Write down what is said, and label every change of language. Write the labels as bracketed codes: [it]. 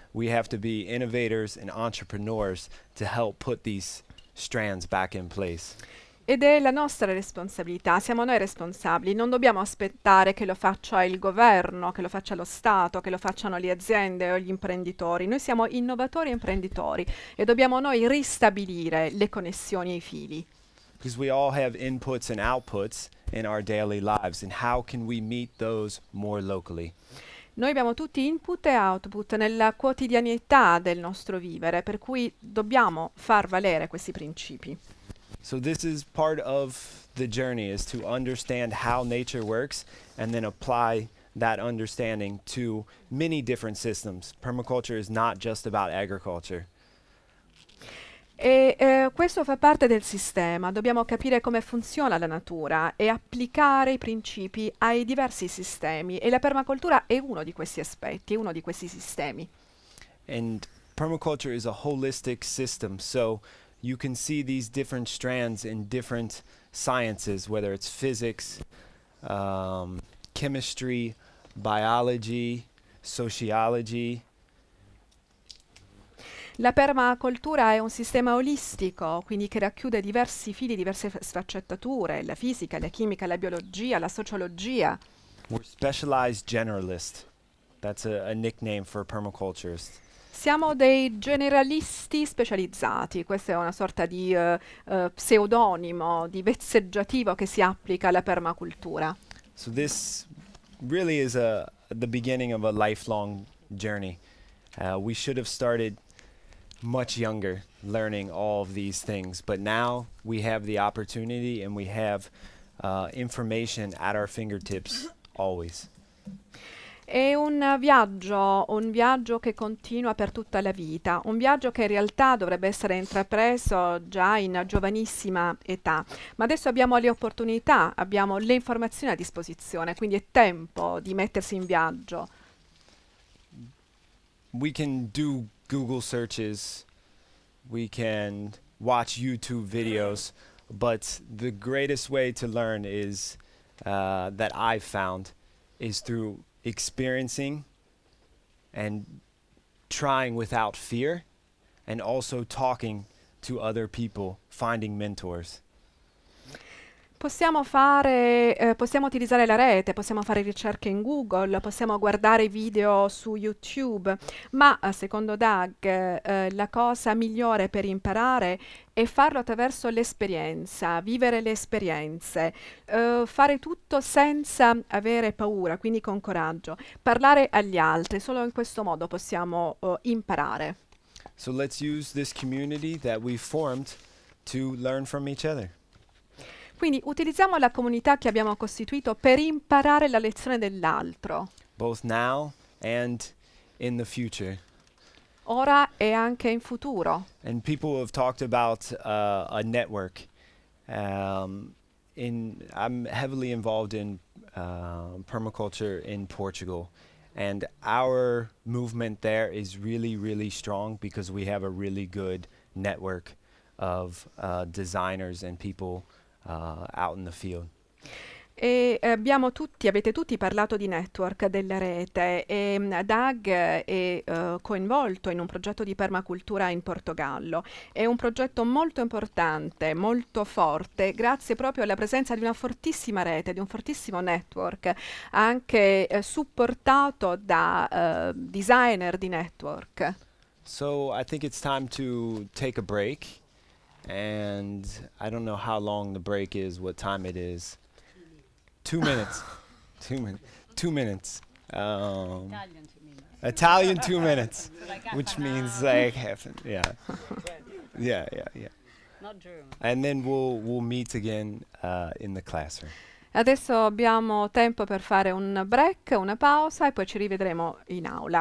[en] We have to be innovators and entrepreneurs to help put these strands back in place. [it] Ed è la nostra responsabilità, siamo noi responsabili, non dobbiamo aspettare che lo faccia il governo, che lo faccia lo Stato, che lo facciano le aziende o gli imprenditori. Noi siamo innovatori e imprenditori e dobbiamo noi ristabilire le connessioni e i fili. [en] Because we all have inputs and outputs in our daily lives, and how can we meet those more locally? [it] Noi abbiamo tutti input e output nella quotidianità del nostro vivere, per cui dobbiamo far valere questi principi. [en] So this is part of the journey, is to understand how nature works and then apply that understanding to many different systems. Permaculture is not just about agriculture. [it] E questo fa parte del sistema. Dobbiamo capire come funziona la natura e applicare i principi ai diversi sistemi. E la permacultura è uno di questi aspetti, uno di questi sistemi. [en] And permaculture is a holistic system, so you can see these different strands in different sciences, whether it's physics, chemistry, biology, sociology. [it] La permacultura è un sistema olistico, quindi che racchiude diversi fili, diverse sfaccettature, la fisica, la chimica, la biologia, la sociologia. [en] We're specialized generalists. That's a nickname for permaculturists. [it] Siamo dei generalisti specializzati, questo è una sorta di pseudonimo, di vezzeggiativo che si applica alla permacultura. [en] So this really is the beginning of a lifelong journey. We should have started much younger learning all of these things, but now we have the opportunity and we have information at our fingertips always. [it] È un viaggio che continua per tutta la vita, un viaggio che in realtà dovrebbe essere intrapreso già in giovanissima età. Ma adesso abbiamo le opportunità, abbiamo le informazioni a disposizione, quindi è tempo di mettersi in viaggio. [en] We can do Google searches, we can watch YouTube videos, but the greatest way to learn is that I've found is through experiencing and trying without fear, and also talking to other people, finding mentors. [it] Possiamo utilizzare la rete, possiamo fare ricerche in Google, possiamo guardare video su YouTube, ma secondo Doug la cosa migliore per imparare è farlo attraverso l'esperienza, vivere le esperienze, fare tutto senza avere paura, quindi con coraggio, parlare agli altri, solo in questo modo possiamo imparare. [en] So let's use this community that we formed to learn from each other. [it] Quindi utilizziamo la comunità che abbiamo costituito per imparare la lezione dell'altro. [en] Both now and in the future. [it] Ora e anche in futuro. [en] And people have talked about a network. I'm heavily involved in permaculture in Portugal. And our movement there is really, really strong because we have a really good network of designers and people out in the field. [it] E avete tutti parlato di network della rete e Doug è coinvolto in un progetto di permacultura in Portogallo. È un progetto molto importante, molto forte, grazie proprio alla presenza di una fortissima rete, di un fortissimo network, anche supportato da designer di network. [en] So I think it's time to take a break. And I don't know how long the break is, what time it is. 2 minutes. 2 minutes. 2 minutes. Italian 2 minutes. Italian 2 minutes, which means like half. Yeah. Yeah, yeah, yeah. Not German. And then we'll meet again in the classroom. [it] Adesso abbiamo tempo per fare un break, una pausa, e poi ci rivedremo in aula.